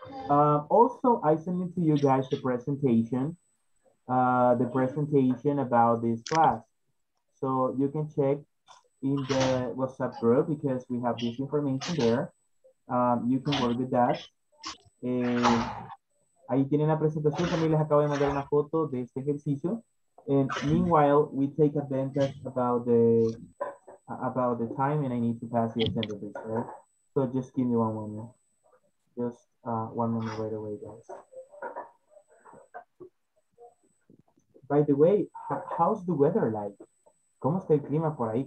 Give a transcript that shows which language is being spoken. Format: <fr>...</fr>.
<en>Also, I send it to you guys the presentation. The presentation about this class. So you can check in the WhatsApp group because we have this information there. You can work with that.</en> <es>Ahí tienen la presentación. También les acabo de mandar una foto de este ejercicio.</es> <en>And meanwhile, we take advantage about the time, and I need to pass the attendance, right? So just give me one moment. Just one moment right away, guys. By the way, how's the weather like?</en> <es>¿Cómo está el clima por ahí?</es>